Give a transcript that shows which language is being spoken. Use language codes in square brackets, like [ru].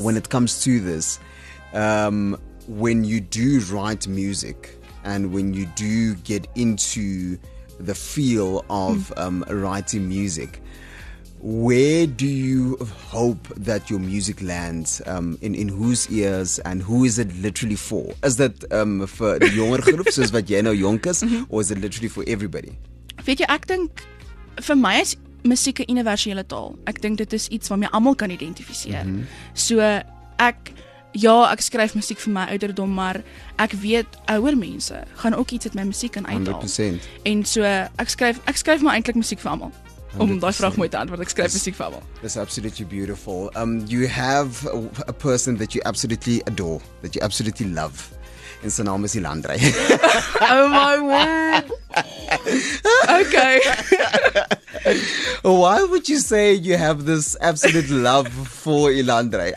[en] when it comes to this, when you do write music, and when you do get into the feel of writing music, where do you hope that your music lands? In whose ears and who is it literally for? Is that for the younger groups, soos wat jy nou jonk is, or is it literally for everybody? [af] Weet jy, ek dink, vir my is musiek 'n universele taal. Ek dink dit is iets waarmee almal kan identifiseer. So ek... Ja, ek skryf musiek vir my ouderdom, maar ek weet ouer mense gaan ook iets uit my musiek kan uithaal. 100%. En so ek skryf maar eintlik musiek vir almal. Om daai vraag mooi te antwoord, ek skryf musiek vir almal. [en] That's absolutely beautiful. You have a person that you absolutely adore, that you absolutely love. [af] En sy naam is Ilandre. [en] Oh my word. Okay. Why would you say you have this absolute love for Ilandre?